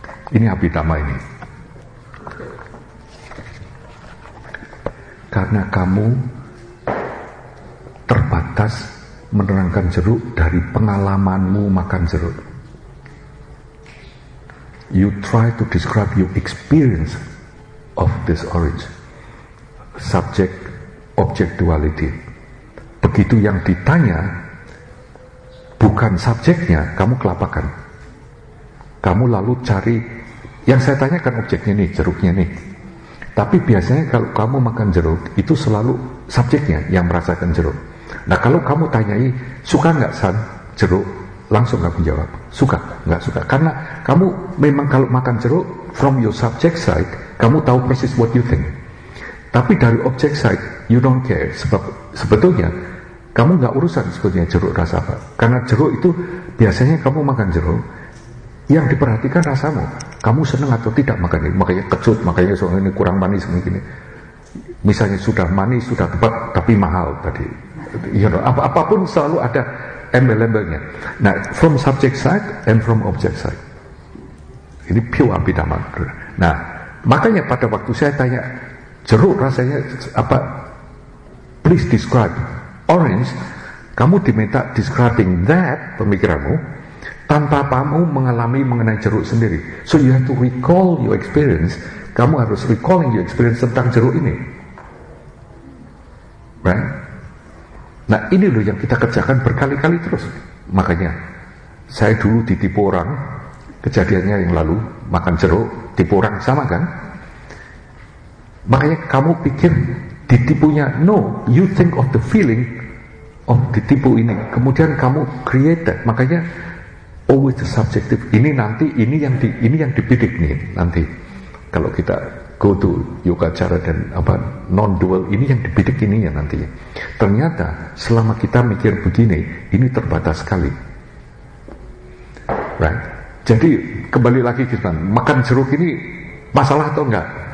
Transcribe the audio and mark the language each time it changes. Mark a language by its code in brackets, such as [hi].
[id] Ini Abhidhamma ini. Karena kamu terbatas menerangkan jeruk dari pengalamanmu makan jeruk. [en] You try to describe your experience of this orange. Subject, object duality. [id] Begitu yang ditanya bukan subjeknya, kamu kelapakan. Kamu lalu cari, yang saya tanyakan objeknya nih, jeruknya nih. Tapi biasanya kalau kamu makan jeruk, itu selalu subjeknya yang merasakan jeruk. Nah, kalau kamu tanyai, suka nggak, San, jeruk? Langsung kamu jawab, suka, nggak suka. Karena kamu memang kalau makan jeruk, [en] from your subject side, [id] kamu tahu persis [en] what you think. [id] Tapi dari object side, [en] you don't care. [id] Sebab sebetulnya, kamu nggak urusan sebetulnya jeruk rasa apa. Karena jeruk itu, biasanya kamu makan jeruk, yang diperhatikan rasamu. Kamu senang atau tidak makan ini. Makanya kecut, makanya soalnya ini kurang manis mungkin. Misalnya sudah manis, sudah tepat, tapi mahal tadi. [en] You know, [id] apapun selalu ada embel-embelnya. [en] Nah, from subject side and from object side. [id] Ini pure Abhidhamma. Nah, makanya pada waktu saya tanya, jeruk rasanya apa? [en] Please describe orange. [id] Kamu diminta describing that pemikiranmu tanpa kamu mengalami mengenai jeruk sendiri. [en] So you have to recall your experience. [id] Kamu harus [en] recalling your experience [id] tentang jeruk ini, right? Nah, ini loh yang kita kerjakan berkali-kali terus. Makanya saya dulu ditipu orang, kejadiannya yang lalu makan jeruk, tipu orang sama kan? Makanya kamu pikir ditipunya, [en] no, you think of the feeling of ditipu ini. [id] Kemudian kamu create that. [en] Makanya always the subjective. [id] Ini nanti ini yang dibidik nih nanti. Kalau kita go to yogacara dan apa non dual, ini yang dibidik ini ya nantinya. Ternyata selama kita mikir begini, ini terbatas sekali. Right. Jadi kembali lagi kita makan jeruk ini masalah atau enggak?